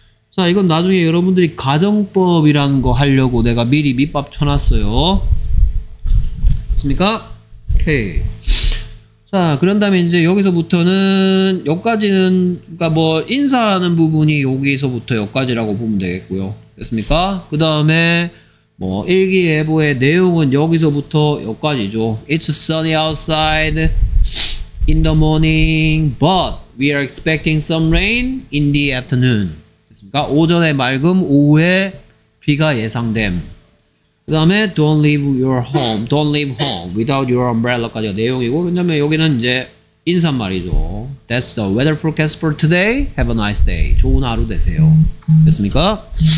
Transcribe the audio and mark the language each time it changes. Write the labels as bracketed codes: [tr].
[ko] 자 이건 나중에 여러분들이 가정법이라는 거 하려고 내가 미리 밑밥 쳐놨어요. 됐습니까? 오케이. 자 그런 다음에 이제 여기서부터는 여기까지는 그러니까 뭐 인사하는 부분이 여기서부터 여기까지라고 보면 되겠고요. 됐습니까? 그 다음에 뭐 일기예보의 내용은 여기서부터 여기까지죠. [en] It's sunny outside in the morning but we are expecting some rain in the afternoon. [ko] 됐습니까? 오전에 맑음 오후에 비가 예상됨. 그 다음에 [en] don't leave your home, don't leave home without your umbrella [ko] 까지가 내용이고 그 다음에 여기는 이제 인사말이죠. [en] That's the weather forecast for today. Have a nice day. [ko] 좋은 하루 되세요. 됐습니까?